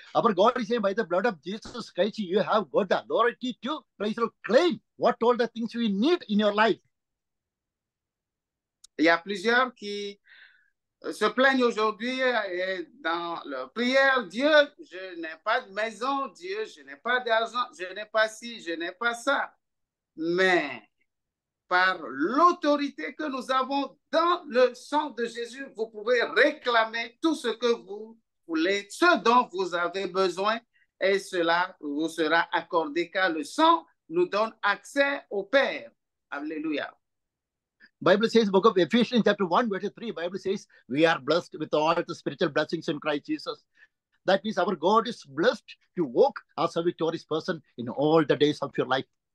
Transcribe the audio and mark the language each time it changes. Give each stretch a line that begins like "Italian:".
English: Our God is saying, by the blood of Jesus Christ, you have got the authority to, praise the Lord, claim what all the things we need in your life.
French: Il y a plusieurs qui se plaignent aujourd'hui et dans leur prière. Dieu, je n'ai pas de maison. Dieu, je n'ai pas d'argent. Je n'ai pas ci, je n'ai pas ça. Mais par l'autorité que nous avons dans le sang de Jésus, vous pouvez réclamer tout ce que vous voulez, ce dont vous avez besoin, et cela vous sera accordé car le sang nous donne accès au Père. Alléluia.
English: Bible says, book of Ephesians chapter 1, verse 3, Bible says, we are blessed with all the spiritual blessings in Christ Jesus. That means our God is blessed to walk as a victorious person in all the days of your life.